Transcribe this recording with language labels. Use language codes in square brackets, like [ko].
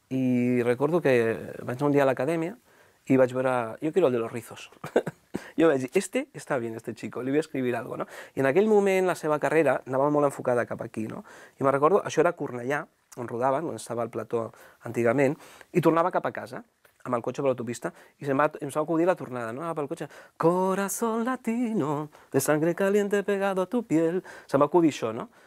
[ca] I recordo que vaig un dia a l'acadèmia i vaig veure, [es] jo quiero el de los rizos. [ca] Jo vaig dir, [es] este está bien, este chico, [ca] li vull [es] escribir algo, [ca] no? I en aquell moment la seva carrera anava molt enfocada cap aquí, no? I me'n recordo, això era Cornellà, on rodaven, on estava el plató antigament, i tornava cap a casa, amb el cotxe per l'autopista, i em va acudir la tornada, no? Anava pel cotxe, [es] corazón latino, de sangre caliente pegado a tu piel, [ca] se'm va acudir això, no?